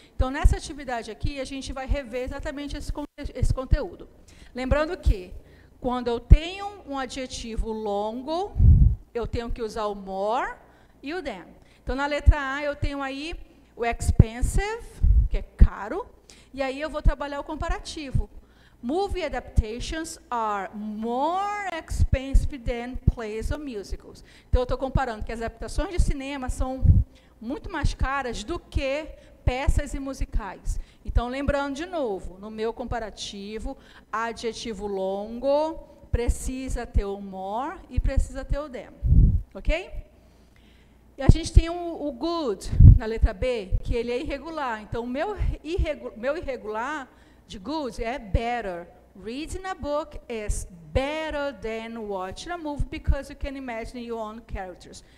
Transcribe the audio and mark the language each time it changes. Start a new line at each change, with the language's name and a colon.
Portuguese: Então, nessa atividade aqui, a gente vai rever exatamente esse conteúdo. Lembrando que, quando eu tenho um adjetivo longo, eu tenho que usar o more e o than. Então, na letra A, eu tenho aí o expensive, que é caro, e aí eu vou trabalhar o comparativo.
English: Movie adaptations are more expensive than plays or musicals.
Portuguese: Então, eu estou comparando que as adaptações de cinema são muito mais caras do que peças e musicais. Então, lembrando de novo, no meu comparativo, adjetivo longo precisa ter o more e precisa ter o them. Ok? E a gente tem o good na letra B, que ele é irregular. Então, o meu irregular de good é better.
English: Reading a book is better than watching a movie because you can imagine your own characters.